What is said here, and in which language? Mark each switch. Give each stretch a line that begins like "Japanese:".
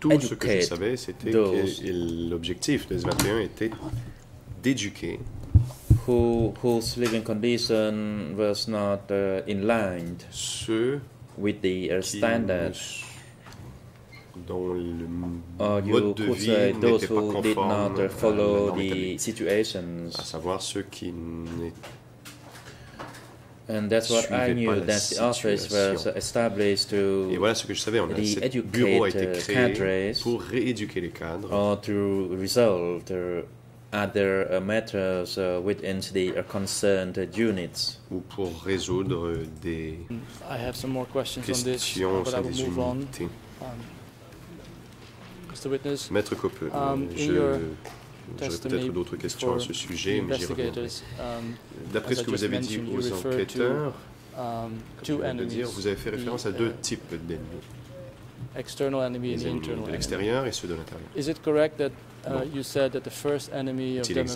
French: Tout ce que je savais, c'était que l'objectif de 21 était d'éduquer.
English: Whose living condition was not in line with the standards.
French: Dont le mode de vie n'était pas conforme à la norme établie, à savoir ceux qui ne suivaient pas la situation. Et voilà ce que je savais, ce bureau a été créé pour rééduquer les cadres.
English: Or to resolve the other matters within the concerned units.
French: Ou pour résoudre des questions sur des unités. Maître Copeux, j'aurai peut-être d'autres questions à ce sujet, mais j'y reviendrai. D'après ce que vous avez dit aux enquêteurs, vous avez fait référence à deux types d'ennemis.
English: External enemy and internal enemy.
French: De l'extérieur et ceux de l'intérieur.
English: Is it correct that you said that the first enemy of